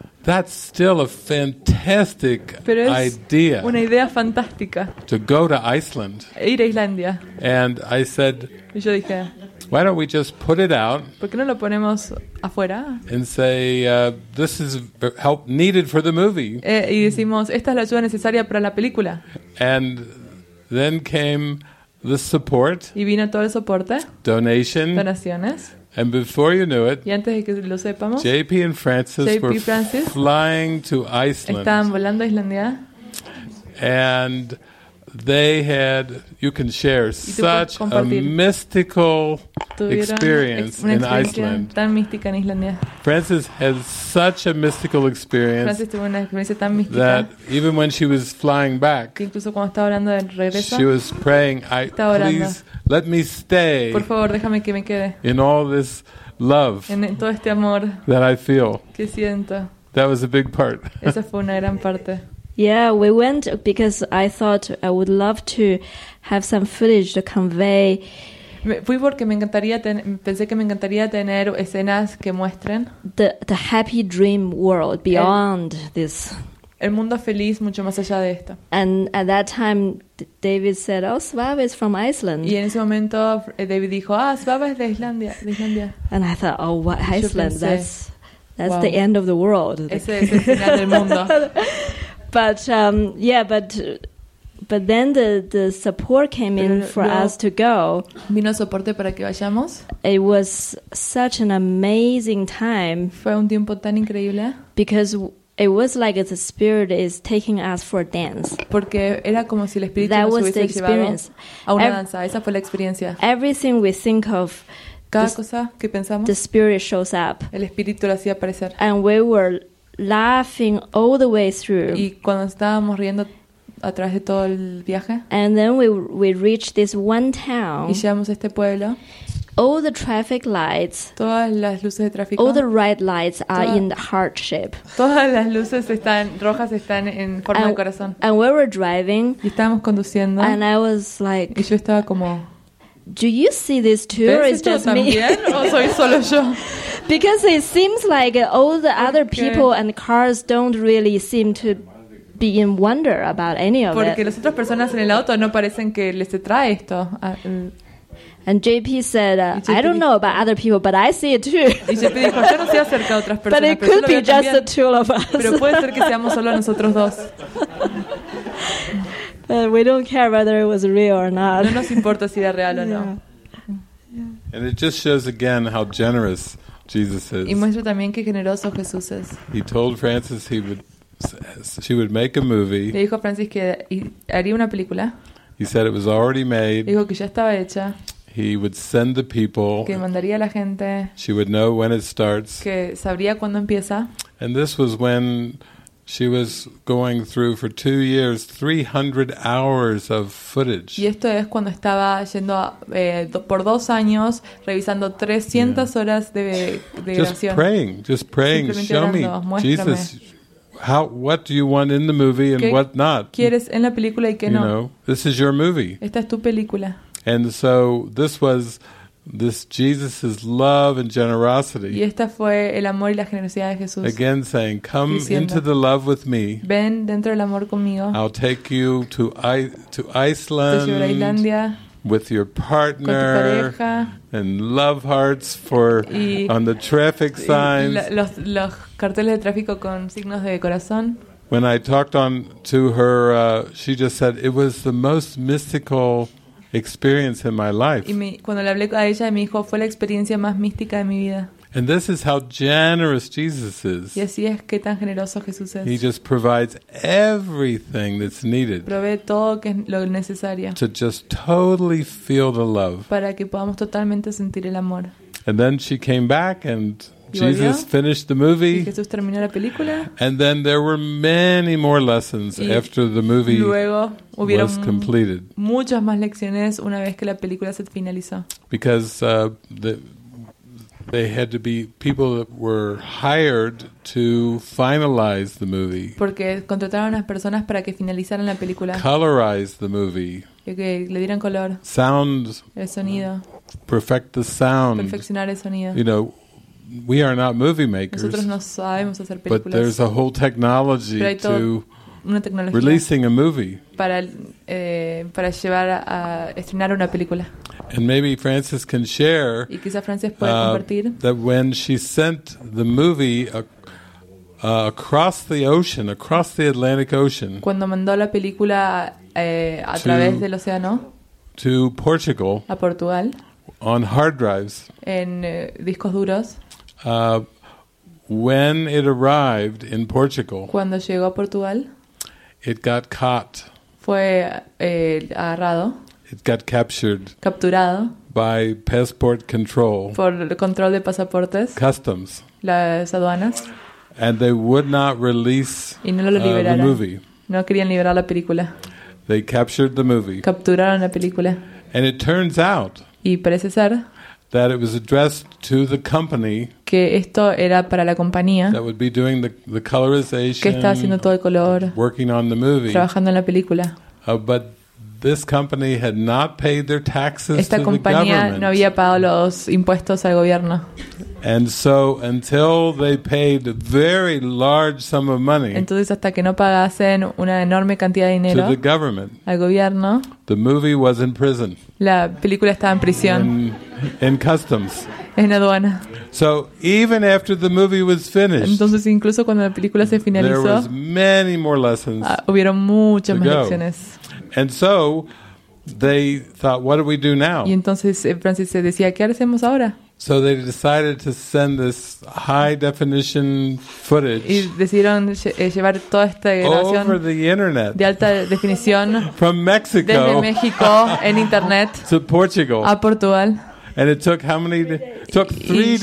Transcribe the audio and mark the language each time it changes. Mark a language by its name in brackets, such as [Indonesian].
[English] That's still a fantastic [Spanish] pero es [English] idea. [Spanish] Una idea fantástica. [English] To go to Iceland. [Spanish] Ir a Islandia. [English] And I said. [Spanish] Y yo dije. [English] Why don't we just put it out? [Spanish] ¿Por qué no lo ponemos afuera? [English] And say this is help needed for the movie. [Spanish] Y decimos esta es la ayuda necesaria para la película. [English] And then came the support. [Spanish] Y vino todo el soporte. [English] Donation. [Spanish] Donaciones. [English] And before you knew it, [Spanish] y antes de que lo sepamos, [English] JP and Francis [Spanish] JP [English] were [Spanish] Francis [English] flying to Iceland. [Spanish] Estaban volando a Islandia. [English] And they had, you can share, such a mystical experience in Iceland. [Spanish] Tan mística en Islandia. [English] Francis has such a mystical experience. [Spanish] Francis tuvo una experiencia tan mística [English] that even when she was flying back, [Spanish] incluso cuando estaba hablando del regreso, [English] she was praying, I, [Spanish] estaba orando, [English] please let me stay [Spanish] por favor, déjame que me quede [English] in all this love [Spanish] en todo este amor [English] that I feel. [Spanish] Que siento. [English] That was a big part. [Spanish] Esa fue una gran parte. [English] Yeah, we went because I thought I would love to have some footage to convey. [Spanish] Fui porque me encantaría pensé que me encantaría tener escenas que muestren [English] the happy dream world beyond this. [Spanish] El mundo feliz mucho más allá de esto. [English] And at that time, David said, "Oh, Svava is from Iceland." [Spanish] Y en ese momento David dijo, "Ah, Svava es de Islandia, de Islandia." [English] And I thought, "Oh, what Iceland? [Spanish] Pensé, [English] that's wow. The end of the world." [Spanish] Ese es el final del mundo. [English] But but then the support came [Spanish] pero [English] in for us to go. [Spanish] Vino soporte para que vayamos. [English] It was such an amazing time. [Spanish] Fue un tiempo tan increíble. [English] Because it was like the spirit is taking us for a dance. [Spanish] Porque era como si el espíritu [English] that [Spanish] nos [English] was [Spanish] hubiese [English] the experience. [Spanish] Llevado a una danza. Esa fue la experiencia. [English] Everything we think of. [Spanish] Cada cosa que pensamos. [English] The spirit shows up. [Spanish] El espíritu lo hacía aparecer. [English] And we were laughing all the way through. [Spanish] Y cuando estábamos riendo a través de todo el viaje. [English] And then we reached this one town. [Spanish] Y llegamos a este pueblo. [English] All the traffic lights. [Spanish] Todas las luces de tráfico. [English] All the red lights are in the heart shape. [Spanish] Todas las luces están rojas están en forma de corazón. [English] And we were driving. [Spanish] Y estábamos conduciendo. [English] And I was like. [Spanish] Y yo estaba como. [English] Do you see this too, or is just me? [Spanish] ¿O soy solo yo? [English] Because it seems like all the other people and cars don't really seem to be in wonder about any of [Spanish] porque [English] it. [Spanish] Las otras personas en el auto no parecen que les trae esto. [English] And JP said, [Spanish] JP [English] I don't know about other people, but I see it too. But it could be just [Spanish] también. [English] The two of us. [Spanish] Pero puede ser que seamos solo nosotros dos. [English] We don't care whether it was real or not. [Spanish] No nos importa si era real o no. [English] And it just shows again how generous Jesus is. [Spanish] Y muestra también qué generoso Jesús es. [English] He told Francis he would, she would make a movie. [Spanish] Le dijo a Francis que haría una película. [English] He said it was already made. [Spanish] Dijo que ya estaba hecha. [English] He would send the people. [Spanish] Que mandaría a la gente. [English] She would know when it starts. [Spanish] Que sabría cuándo empieza. [English] And this was when she was going through for 2 years, 300 hours of footage. [Spanish] Y esto es cuando estaba yendo por dos años, revisando 300 yeah. Horas de [English] just [Spanish] grabación. [English] Praying, just praying. Show [Spanish] orando, [English] me, [Spanish] muéstrame. [English] Jesus, how, what do you want in the movie and [Spanish] ¿qué [English] what not? [Spanish] ¿Quieres en la película y qué [English] you [Spanish] no? [English] Know, this is your movie. [Spanish] Esta es tu película. [English] And so this was this Jesus' love and generosity. [Spanish] Y esta fue el amor y la generosidad de Jesús. [English] Again saying, come [Spanish] diciendo, [English] into the love with me. [Spanish] Ven dentro del amor conmigo. [English] I'll take you to Iceland. [Spanish] Te llevaré a Islandia. [English] with your partner, [Spanish] con tu pareja, [English] and love hearts for on the traffic signs. [Spanish] Los carteles de tráfico con signos de corazón. [English] When I talked on to her, she just said it was the most mystical experience in my life. [Spanish] Y cuando le hablé a ella, me dijo fue la experiencia más mística de mi vida. [English] And this is how generous Jesus is. [Spanish] Y así es que tan generoso Jesús es. [English] He just provides everything that's needed. [Spanish] Provee todo que es lo necesario. [English] To just totally feel the love. [Spanish] Para que podamos totalmente sentir el amor. [English] And then she came back and Jesus finished the movie. [Spanish] Y Jesús terminó la película. [English] And then there were many more lessons after the movie was completed. [Spanish] Muchas más lecciones una vez que la película se finalizó. [English] Because they had to be people that were hired to finalize the movie. [Spanish] Porque contrataron a unas personas para que finalizaran la película. [English] Colorize the movie. [Spanish] Que le dieran color. [English] Sound. [Spanish] El sonido. [English] Perfect the sound. [Spanish] Perfeccionar el sonido. [English] You know, we are not movie makers. [Spanish] Nosotros no sabemos hacer películas. [English] But there's a whole technology to [Spanish] una tecnología [English] releasing a movie. [Spanish] Para llevar a estrenar una película. [English] And maybe Frances can share [Spanish] y quizá Frances puede compartir [English] that when she sent the movie across the ocean, across the Atlantic Ocean, [Spanish] cuando mandó la película a través del océano [English] to Portugal, [Spanish] a Portugal, [English] on hard drives, [Spanish] en discos duros, [English] when it arrived in Portugal, [Spanish] cuando llegó a Portugal, [English] it got caught. [Spanish] Fue agarrado. [English] It got captured. [Spanish] Capturado. [English] By passport control. [Spanish] Por el control de pasaportes. [English] Customs. [Spanish] Las aduanas. [English] And they would not release the movie. [Spanish] No querían liberar la película. [English] They captured the movie. [Spanish] Capturaron la película. [English] And it turns out. [Spanish] Y parece ser. [English] That it was addressed to the company. [Spanish] Que esto era para la compañía. [English] That would be doing the colorization. [Spanish] Que estaba haciendo todo el color. [English] Working on the movie. [Spanish] Trabajando en la película. [English] But this company had not paid their taxes to the government. [Spanish] Esta compañía no había pagado los impuestos al gobierno. [English] And so until they paid a very large sum of money. [Spanish] Entonces hasta que no pagasen una enorme cantidad de dinero. [English] To the government. [Spanish] Al gobierno. [English] The movie was in prison. [Spanish] La película estaba en prisión. [English] In customs. [Spanish] En aduana. [English] So even after the movie was finished. [Spanish] Entonces incluso cuando la película se finalizó. [English] There was many more lessons. [Spanish] Hubieron muchas más lecciones. [English] And so they thought, what do we do now? [Spanish] Y entonces Francis se decía, ¿qué hacemos ahora? [English] So they decided to send this high definition footage. [Spanish] Y decidieron llevar toda esta grabación [English] over the internet [Spanish] de alta definición [English] from Mexico [Spanish] desde México en internet [English] to Portugal. [Spanish] A Portugal. [English] And it took how many days? Took 3 days.